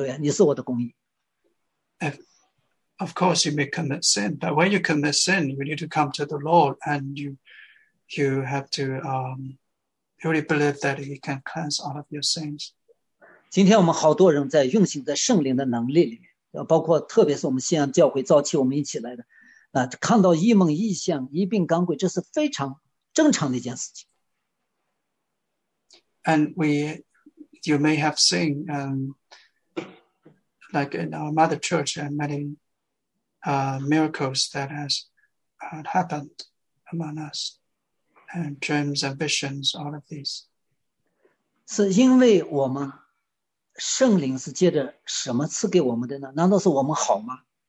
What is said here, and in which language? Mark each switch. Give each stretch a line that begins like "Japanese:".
Chinese: 当然我刚才也讲了，你可能会犯罪，但犯罪以后呢，不要让撒旦来控告你，你认罪悔改，立刻就要宣告，感谢主，哈利路亚，你是我的公义。
English: If, of course, you may commit sin, but when you commit sin, you need to come to the Lord and you have to really believe that he can cleanse all of your sins.
Chinese: 今天我们好多人在运行在圣灵的能力里面。包括特别是我们西安教会早期我们一起来的，看到异梦异象、一病赶鬼，这是非常正常的一件事情。
English: And we, you may have seen, like in our mother church, and many, miracles that has, happened among us, and dreams and visions, all of these.
Chinese: 是因为我们。圣灵是借着什么赐给我们的呢?难道是我们好吗?